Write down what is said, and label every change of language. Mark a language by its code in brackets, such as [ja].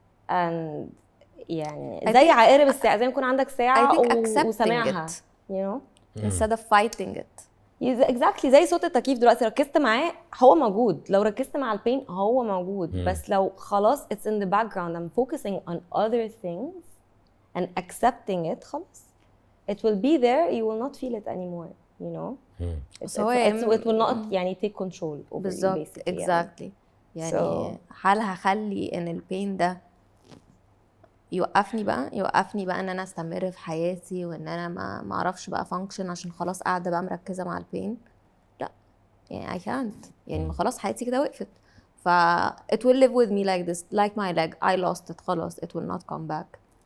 [ar] And يعني زي عقارب الساعه، زي ما يكون عندك ساعه وسامعها it. [en] You know instead of fighting it. Exactly. [ar] زي صوت التكييف دلوقتي ركزت معاه هو موجود، لو ركزت مع البين هو موجود. بس لو خلاص [en] it's in the background I'm focusing on other things and accepting it [ar] خلاص [en] it will be there you will not feel it anymore you know. it will not [ar] يعني [en] take control over you basically. Exactly. [ar] يعني هل هخلي ان البين ده يوقفني بقى ان انا استمر في حياتي وان انا ما اعرفش بقى فانكشن عشان خلاص قاعده بقى مركزه مع البين؟ لا يعني [en] I can't. [ar] يعني خلاص حياتي كده وقفت ف [en] it will live with me like this like my leg I lost it [ar] خلاص [en] it will not come back.